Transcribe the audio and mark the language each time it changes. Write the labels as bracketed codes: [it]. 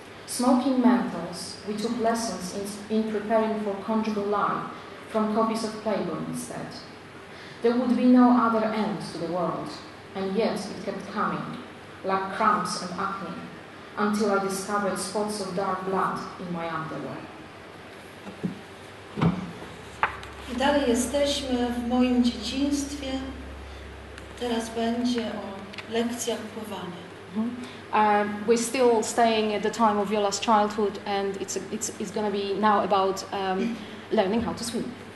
[en] Smoking menthols, we took lessons in preparing for conjugal life from copies of Playboy instead. There would be no other end to the world, and yet it kept coming, like cramps and acne, until I discovered spots of dark blood in my underwear. [pl] Dalej jesteśmy w moim dzieciństwie. Teraz będzie o lekcjach pływania. [en] We're still staying at the time of Viola's childhood, and it's going to be now about learning how to swim.